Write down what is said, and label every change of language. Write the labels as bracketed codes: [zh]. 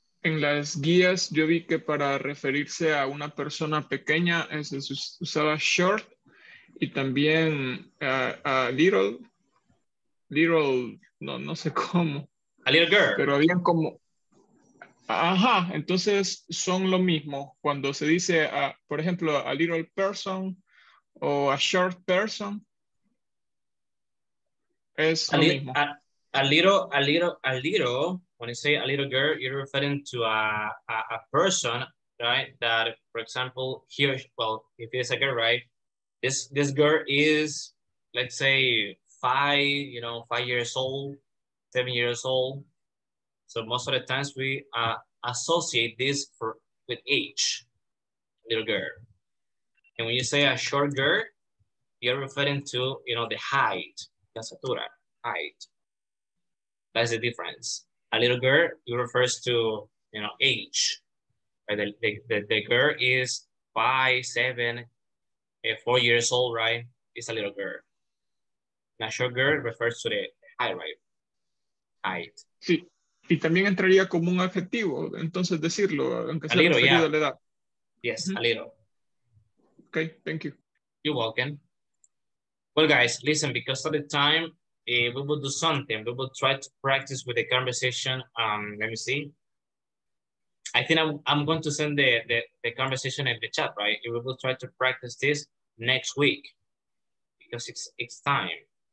[es] En las guías yo vi que para referirse a una persona pequeña se usaba short y también a little, no sé cómo. [en] A little girl. [es] Pero habían como, ajá, entonces son lo mismo. Cuando se dice, por ejemplo, [en] a little person [es] o [en] a short person, [es] es lo mismo. [en] A little, when you say a little girl, you're referring to a person, right? That, for example, here, well, if it's a girl, right? This girl is, let's say, 5 years old, 7 years old. So most of the times we associate this with age, little girl. And when you say a short girl, you're referring to, you know, the height, [es] la estatura, [en] height. That's the difference. A little girl, it refers to, you know, age. The girl is 5, 7, 4 years old, right? It's a little girl. A short girl refers to the height, right? Height. [es] Sí, y también entraría como un adjetivo, entonces decirlo, aunque sea referido a la edad. [en] Yes, a little. Okay, thank you. You're welcome. Well, guys, listen, because of the time, we will do something. We will try to practice with the conversation. Let me see. I think I'm going to send the conversation in the chat, right? And we will try to practice this next week because it's time.